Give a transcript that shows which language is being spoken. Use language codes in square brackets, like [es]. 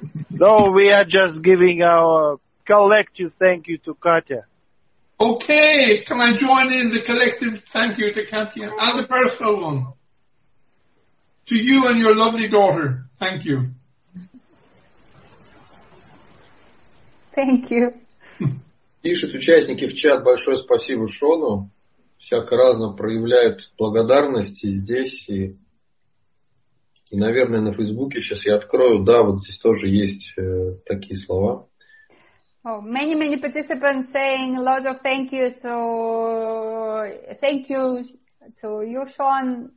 [en] No, we are just giving our collective thank you to Katya. Okay, can I join in the collective thank you to Katya and the personal one? To you and your lovely daughter, thank you. Thank you. [ru] Пишут участники в чат, большое спасибо Шону. Всяко разно проявляют благодарность и здесь, и наверное, на Фейсбуке. Сейчас я открою. Да, вот здесь тоже есть такие слова. [en] Oh, many participants saying lots of thank you. So thank you to you, Sean.